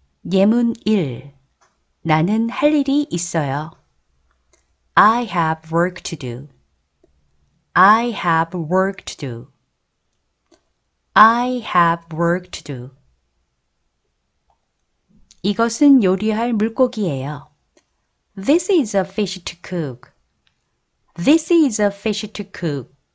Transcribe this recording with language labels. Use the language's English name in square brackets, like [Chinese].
[Korean] 예문 1. 나는 할 일이 있어요. [English] I have work to do, I have work to do, I have work to do. [Korean] 이것은 요리할 물고기예요. [English] This is a fish to cook, this is a fish to cook.